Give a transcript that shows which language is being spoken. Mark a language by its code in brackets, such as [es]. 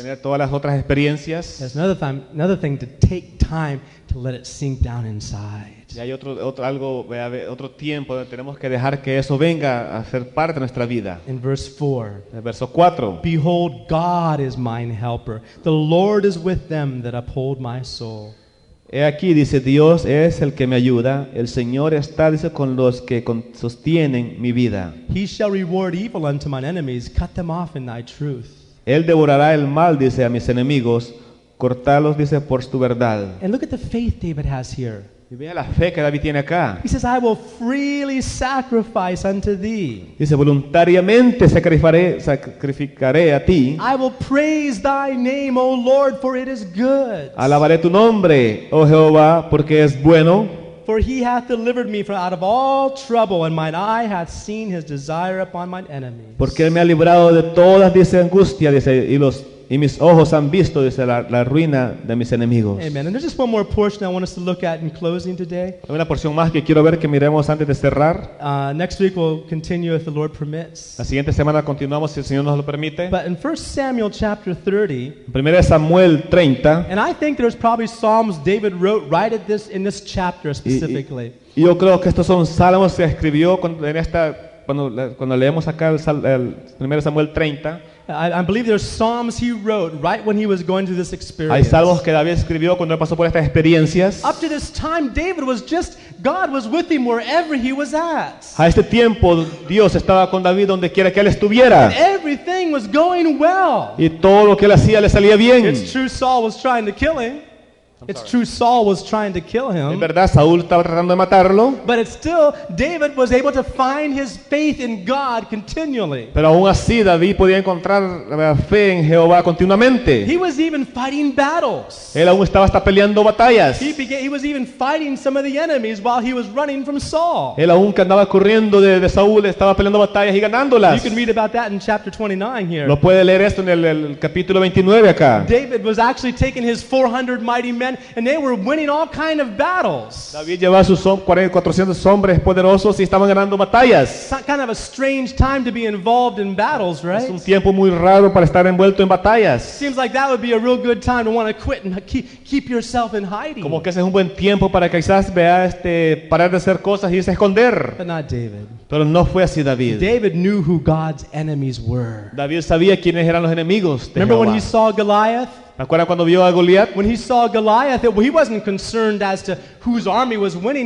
[es] Tener todas las otras experiencias. [en] There's another thing to take time to let it sink down inside. [es] Y hay otro tiempo donde tenemos que dejar que eso venga a ser parte de nuestra vida. [en] In verse 4. [es] En verso 4. [en] Behold, God is mine helper. The Lord is with them that uphold my soul. [es] He aquí, dice, Dios es el que me ayuda. El Señor está, dice, con los que sostienen mi vida. [en] He shall reward evil unto mine enemies. Cut them off in thy truth. [es] Él devorará el mal, dice, a mis enemigos. Cortalos, dice, por tu verdad. [en] And look at the faith David has here. [es] Y vea la fe que David tiene acá. [en] He says, I will freely sacrifice unto thee. [es] Dice, voluntariamente sacrificaré a ti. [en] I will praise thy name, O Lord, for it is good. [es] Alabaré tu nombre, oh Jehová, porque es bueno. [en] For he hath delivered me from out of all trouble, and mine eye hath seen his desire upon mine enemies. [es] Porque él me ha librado de todas, dice, angustia, dice, y mis ojos han visto, dice, la ruina de mis enemigos. [en] Amen. And there's just one more portion I want us to look at in closing today. [es] Hay una porción más que quiero ver que miremos antes de cerrar. [en] Next week we'll continue if the Lord permits. [es] La siguiente semana continuamos si el Señor nos lo permite. [en] But in 1 Samuel chapter 30. [es] Primera de Samuel 30. [en] And I think there's probably Psalms David wrote right at this in this chapter specifically. [es] Y yo creo que estos son salmos que escribió cuando leemos acá el 1 Samuel 30. [en] I believe there's Psalms he wrote right when he was going through this experience. [es] Hay salmos que David escribió cuando pasó por estas experiencias. [en] Up to this time, David was just, God was with him wherever he was at. [es] A este tiempo, Dios estaba con David donde quiera que él estuviera. [en] And everything was going well. [es] Y todo lo que él hacía le salía bien. [en] It's true, Saul was trying to kill him. [es] En verdad, Saúl estaba tratando de matarlo. [en] But it's still, David was able to find his faith in God continually. [es] Pero aún así, David podía encontrar fe en Jehová continuamente. [en] He was even fighting battles. [es] Él aún estaba hasta peleando batallas. [en] He was even fighting some of the enemies while he was running from Saul. [es] Él aún que andaba corriendo de Saúl, estaba peleando batallas y ganándolas. [en] You can read about that in chapter 29 here. [es] Lo puede leer esto en el capítulo 29 acá. [en] David was actually taking his 400 mighty men, and they were winning all kind of battles. [es] David llevaba sus 400 hombres poderosos y estaban ganando batallas. [en] Kind of a strange time to be involved in battles, right? [es] Es un tiempo muy raro para estar envuelto en batallas. [en] Seems like that would be a real good time to want to quit and keep yourself in hiding. [es] Como que ese es un buen tiempo para quizás vea parar de hacer cosas y irse a esconder. [en] But not David. [es] Pero no fue así David. [en] David knew who God's enemies were. [es] David sabía quiénes eran los enemigos de [en] Remember [es] Jehová. [en] When he saw Goliath? [es] ¿Acuerda cuando vio a Goliath? [en] When he saw Goliath, he wasn't concerned as to whose army was winning.